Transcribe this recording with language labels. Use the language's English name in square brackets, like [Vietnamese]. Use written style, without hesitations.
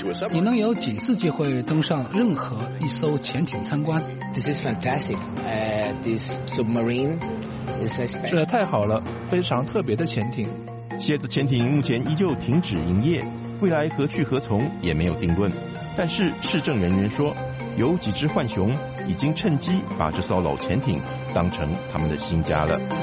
[Chinese] 你能有几次机会登上任何一艘潜艇参观？ [English] This is fantastic. This submarine is a special. [Chinese] 这太好了，非常特别的潜艇。蝎子潜艇目前依旧停止营业，未来何去何从也没有定论，但是市政人员说，有几只浣熊已经趁机把这艘老潜艇当成他们的新家了。